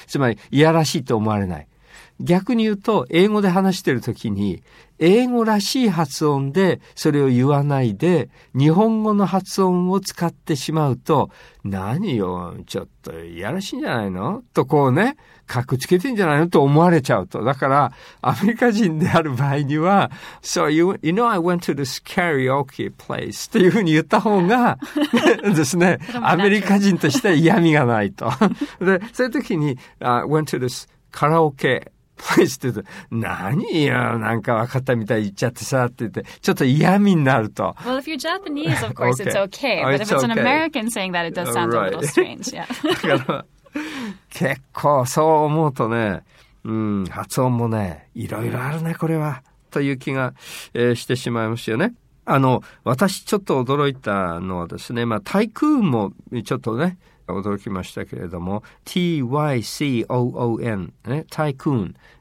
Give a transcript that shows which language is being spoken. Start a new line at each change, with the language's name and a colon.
Japanese: つまりいやらしいと思われない。逆に言うと英語で話してる時に英語らしい発音でそれを言わないで日本語の発音を使ってしまうと、何よちょっといやらしいんじゃないのとこうね、格つけてんじゃないのと思われちゃうと。だからアメリカ人である場合には、
English: So you know I went to this karaoke place
Japanese: というふうに言った方がですね、アメリカ人として嫌味がないとで、そういう時に
English: went to this
Japanese: カラオケプレイスって言うと、何よなんか分かったみたい言っちゃってさって言って、ちょっと嫌味になると。
English: Well, if you're Japanese, of course, okay. it's okay. But it's if it's an American saying that, it does sound、right. a little strange. Yeah.
Japanese: 結構そう思うとね、発音もね、いろいろあるね、これは。という気が、してしまいますよね。私ちょっと驚いたのはですね、まあ、タイクーンもちょっとね、驚きましたけれども、T-Y-C-O-O-N、ね、タイクーン。